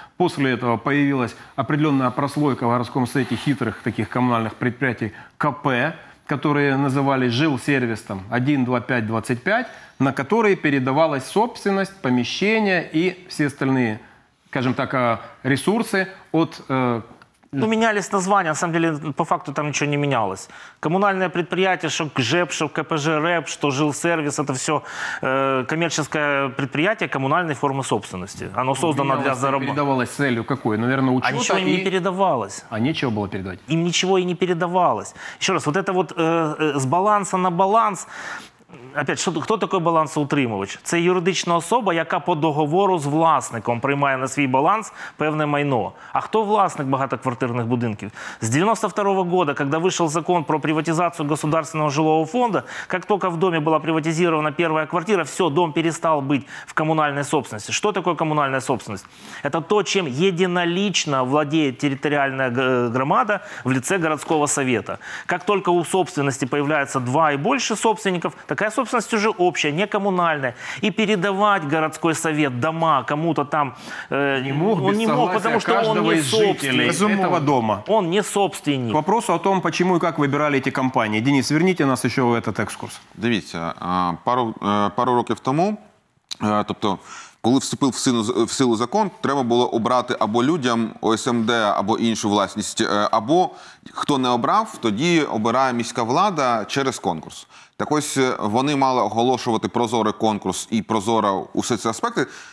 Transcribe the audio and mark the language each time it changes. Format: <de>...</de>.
<uk>Після цього з'явилася определенна прослойка в городському сеті хитрих таких комунальних підприємств КП, які називалися жилсервісом 1-2-5-25,</uk> <ru>на которые передавалась собственность, помещение и все остальные, скажем так, ресурсы от... Ну, менялись названия, на самом деле, по факту там ничего не менялось. Коммунальное предприятие, что КЖЭП, что КПЖ РЭП, что жилсервис, это все коммерческое предприятие коммунальной формы собственности. Оно создано для заработки. Передавалось целью какой? Наверное, учета? А ничего им не передавалось. А нечего было передавать? Им ничего и не передавалось. Еще раз, вот это вот с баланса на баланс...</ru> <uk>Опять, хто такий балансоутримувач? Це юридична особа, яка по договору з власником приймає на свій баланс певне майно. А хто власник багатоквартирних будинків? З 92-го року, коли вийшов закон про приватизацію державного житлового фонду, як тільки в домі була приватизована перша квартира, все, дом перестав бути в комунальній собственності. Що таке комунальна собственність? Це те, чим єдинолічно владіє територіальна громада в лице міського совєту. Як тільки у собственності з'являється два і більше собственників,</uk> <ru>такая собственность уже общая, не коммунальная. И передавать городской совет дома кому-то там не мог, он не мог, потому что он не собственник этого дома. Он не собственник. К вопросу о том, почему и как выбирали эти компании. Денис, верните нас еще в этот экскурс.</ru> <uk>Дивіться, пару років тому, тобто, коли вступив в силу закон, треба було обрати або людям ОСМД, або іншу власність, або хто не обрав, тоді обирає міська влада через конкурс. Так ось вони мали оголошувати прозорий конкурс і прозоро усі ці аспекти.</uk>